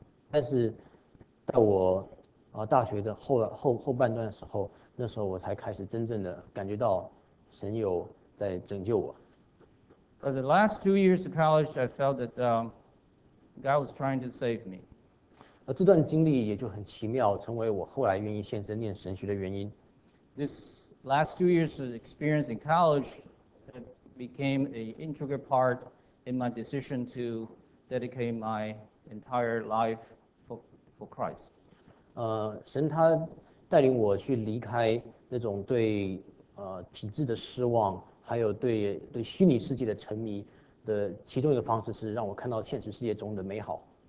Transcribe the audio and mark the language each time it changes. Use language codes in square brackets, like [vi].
[zh] 但是在我大学的后半段的时候，那时候我才开始真正的感觉到神有在拯救我。 [en] For the last 2 years of college, I felt that God was trying to save me. [zh] 这段经历也就很奇妙，成为我后来愿意献身念神学的原因。 [en] This last 2 years of experience in college became an integral part in my decision to dedicate my entire life for Christ. [zh] 神他带领我去离开那种对体制的失望，还有对虚拟世界的沉迷的其中一个方式，是让我看到现实世界中的美好。